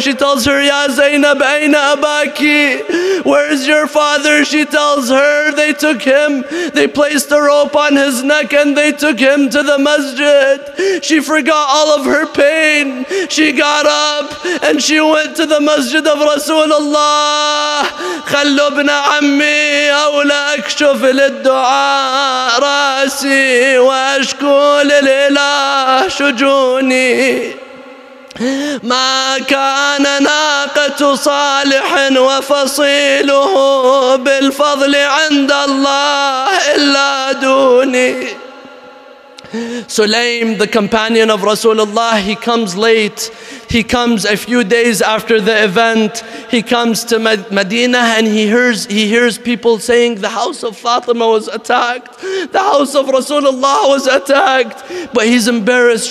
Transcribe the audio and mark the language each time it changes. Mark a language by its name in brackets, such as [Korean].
[English] She tells her, [Arabic] Ya Zainab, Aina Abaki? [English] Where is your father? She tells her, they took him. They placed a rope on his neck and they took him to the masjid. She forgot all of her pain. She got up and she went to the masjid of Rasulullah. [Arabic] خلوا ابن عمي أولى أكشف للدعاء رأسي وأشكو للإله شجوني ما كان ناقة صالح وفصيله بالفضل عند الله إلا دوني. [English] Sulaim, the companion of Rasulullah, he comes late. He comes a few days after the event. He comes to Medina and he hears people saying the house of Fatima was attacked. The house of Rasulullah was attacked. But he's embarrassed.